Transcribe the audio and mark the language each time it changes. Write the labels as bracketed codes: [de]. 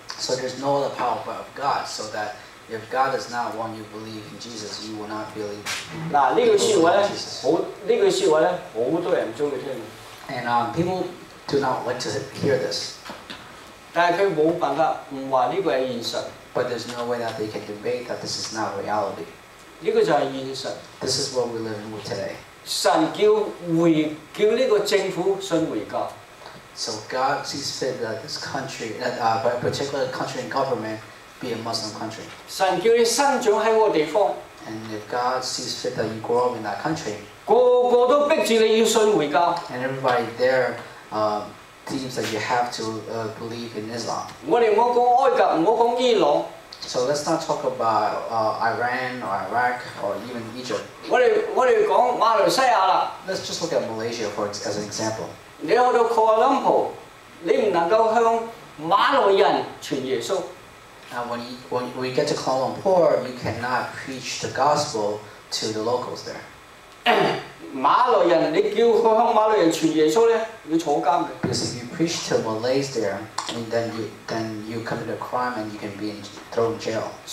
[en] So there's no other power but of God, so that if God does not want you to believe in Jesus, you will not believe. [zh] 那這個事話呢,好,這個事話呢,好多人不喜歡聽。 [en] And people do not want to hear this. [zh] 但他沒辦法不說這個是現實。 [en] But there's no way that they can debate that this is not reality. [zh] 这个就是现实, [en] this is what we live with today. [zh] 神叫这个政府信回教。 [en] So God sees fit that this country, by a particular country and government, be a Muslim country. [zh] 神叫你生长在那个地方, [en] and if God sees fit that you grow up in that country, [zh] 个个都逼着你要信回教, [en] and everybody there, seems that you have to believe in Islam. [zh] 我们不要说埃及,不要说伊朗, [en] so let's not talk about Iran or Iraq or even Egypt. [zh] 我们说马来西亚, [en] let's just look at Malaysia as an example. [zh] 你去到Kuala Lumpur, 你不能够向马来人传耶稣。 [en] Now when we get to Kuala Lumpur, you cannot preach the gospel to the locals there. [zh] 马来人,你叫他向马来人传耶稣呢,你坐监的。 [en] If you preach to Malays there, and then you commit a crime and you can be thrown in jail.